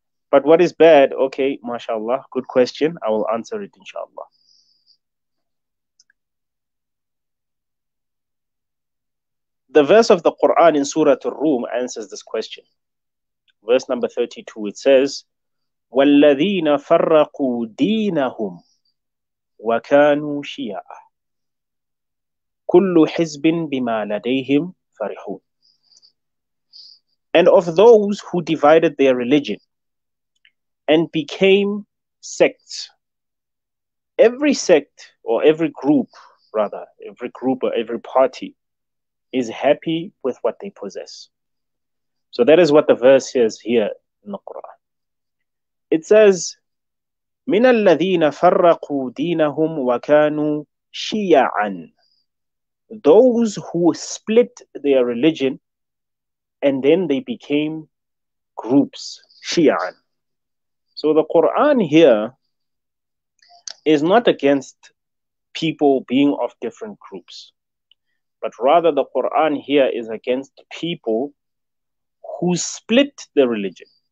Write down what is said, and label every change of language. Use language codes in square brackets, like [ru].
[en] But what is bad? Okay, mashallah, good question. I will answer it, inshallah. The verse of the Quran in Surah Ar-Rum answers this question. Verse number 32, it says, [ar] وَالَّذِينَ فَرَّقُوا دِينَهُمْ وَكَانُوا شِيَعًا كُلُّ حِزْبٍ بِمَا لَدَيْهِمْ فَرِحُونَ. [en] And of those who divided their religion and became sects, every sect or every group, rather, every group or every party is happy with what they possess. So that is what the verse says here in the Quran. It says, [ar] مِنَ الَّذِينَ فَرَّقُوا دِينَهُمْ وَكَانُوا شِيَعًا. [en] Those who split their religion and then they became groups, شِيَعًا. So the Quran here is not against people being of different groups, but rather the Quran here is against people who split the religion.